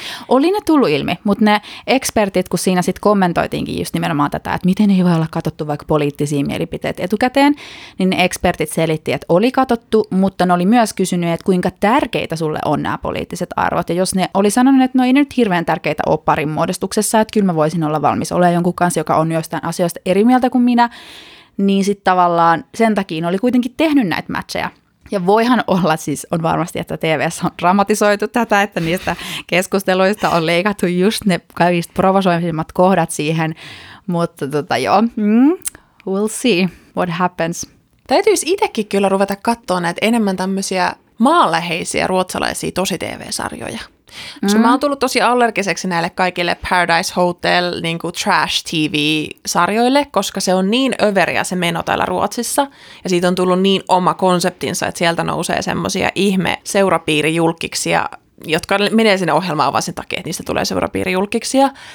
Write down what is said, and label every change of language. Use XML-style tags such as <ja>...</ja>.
<fi>Oli ne tullut ilmi, mutta ne ekspertit, kun siinä sitten kommentoitiinkin just nimenomaan tätä, että miten ei voi olla katsottu vaikka poliittisia mielipiteitä etukäteen, niin ne ekspertit selitti, että oli katsottu, mutta ne oli myös kysynyt, että kuinka tärkeitä sulle on nämä poliittiset arvot. Ja jos ne oli sanonut, että no ei ne nyt hirveän tärkeitä ole parin muodostuksessa, että kyllä mä voisin olla valmis olemaan jonkun kanssa, joka on joistain asioista eri mieltä kuin minä, niin sitten tavallaan sen takia ne oli kuitenkin tehnyt näitä matcheja. Ja voihan olla, siis on varmasti, että TV:ssä on dramatisoitu tätä, että niistä keskusteluista on leikattu just ne kaikista provosoivimmat kohdat siihen. Mutta joo,</fi> <en>we'll see what happens.</en> <fi>Täytyisi itsekin kyllä ruveta katsoa näitä enemmän tämmöisiä maanläheisiä ruotsalaisia tosi-TV-sarjoja. Koska mä oon tullut tosi allergiseksi näille kaikille Paradise Hotel, niin kuin Trash TV-sarjoille, koska se on niin överiä se meno täällä Ruotsissa. Ja siitä on tullut niin oma konseptinsa, että sieltä nousee semmosia ihme seurapiirijulkkiksia, jotka menee sinne ohjelmaan vaan sen takia, että niistä tulee seurapiirijulkkiksia.</fi>